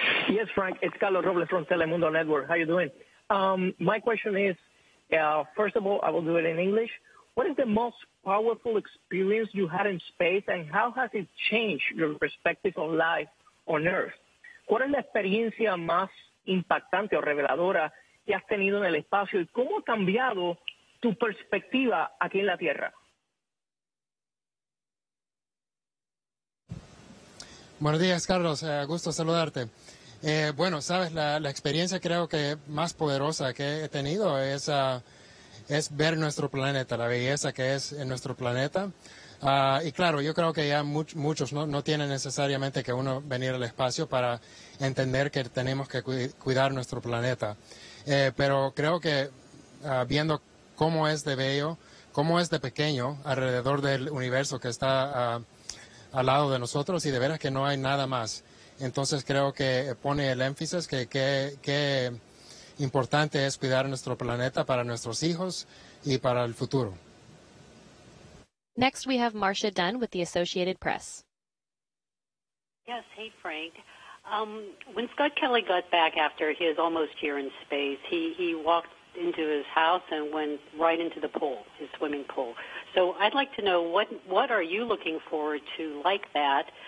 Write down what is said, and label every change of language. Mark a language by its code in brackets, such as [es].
[en] Yes, Frank, it's Carlos Robles from Telemundo Network. How are you doing? My question is, first of all, I will do it in English. What is the most powerful experience you had in space, and how has it changed your perspective on life on Earth? [es] ¿Cuál es la experiencia más impactante o reveladora que has tenido en el espacio, y cómo ha cambiado tu perspectiva aquí en la Tierra? Buenos días, Carlos. Gusto saludarte. La experiencia creo que más poderosa que he tenido es ver nuestro planeta, la belleza que es en nuestro planeta. Y claro, yo creo que ya muchos no tienen necesariamente que uno venir al espacio para entender que tenemos que cuidar nuestro planeta. Pero creo que viendo cómo es de bello, cómo es de pequeño alrededor del universo que está al lado de nosotros, y de veras que no hay nada más. Entonces creo que pone el énfasis que qué importante es cuidar nuestro planeta para nuestros hijos y para el futuro. [en] Next, we have Marcia Dunn with the Associated Press. Yes, hey, Frank. When Scott Kelly got back after his almost year in space, he walked into his house and went right into the pool, his swimming pool. So I'd like to know, what are you looking forward to like that?